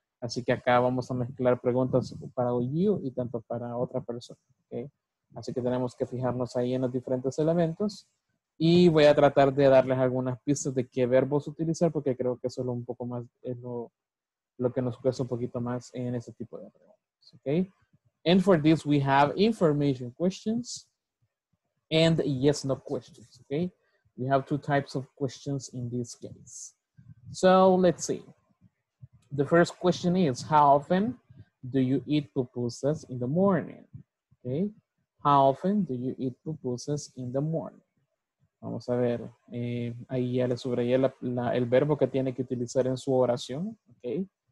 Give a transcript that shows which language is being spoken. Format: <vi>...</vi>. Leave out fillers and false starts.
<es>Así que acá vamos a mezclar preguntas para you y tanto para otra persona, ¿ok? Así que tenemos que fijarnos ahí en los diferentes elementos y voy a tratar de darles algunas pistas de qué verbos utilizar porque creo que eso es lo que nos cuesta un poquito más en ese tipo de preguntas, ¿ok?</es> <en>And for this we have information questions and yes, no questions, okay? We have two types of questions in this case. So, let's see. The first question is, how often do you eat pupusas in the morning? Okay, how often do you eat pupusas in the morning?</en> <es>Vamos a ver, ahí ya le subrayé el verbo que tiene que utilizar en su oración, okay?</es>